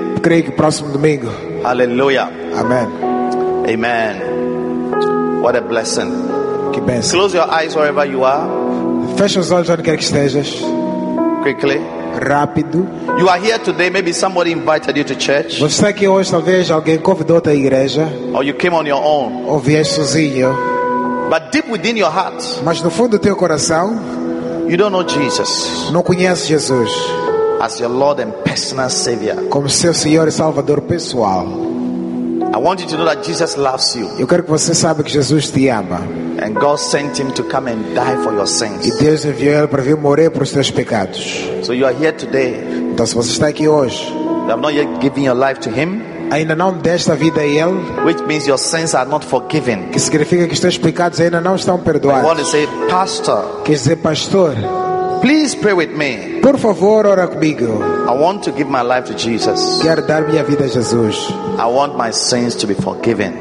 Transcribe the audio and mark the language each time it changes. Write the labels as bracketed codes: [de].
[pt] Creio que próximo domingo. Hallelujah. Amen. [en] Amen. What a blessing. [pt] Que bênção. [en] Close your eyes wherever you are. [pt] Feche os olhos onde quer que estejas. [en] Quickly. [pt] Rápido. [en] You are here today, maybe somebody invited you to church. [pt] Você está aqui hoje, talvez alguém convidou a igreja. [en] Or you came on your own. [pt] Ou vieste sozinho. [en] But deep within your heart, [pt] mas no fundo do teu coração, [en] you don't know Jesus. [pt] Não conhece Jesus [en] as your Lord and personal Savior. [pt] Como seu Senhor e Salvador pessoal. [en] I want you to know that Jesus loves you. [pt] Eu quero que você saiba que Jesus te ama. [en] And God sent him to come and die for your sins. [pt] E Deus enviou ele para vir morrer por seus pecados. [en] So you are here today. [pt] Então, se você está aqui hoje, [en] you have not yet given your life to him. [pt] ainda não deste a vida a Ele, [en] which means your sins are not forgiven. [pt] Que significa que os teus pecados ainda não estão perdoados. [en] I want to say, pastor. [pt] Quer dizer, pastor. [en] Please pray with me. [pt] Por favor, ora comigo. [en] I want to give my life to Jesus. [pt] Quero dar minha vida a Jesus. [en] I want my sins to be forgiven.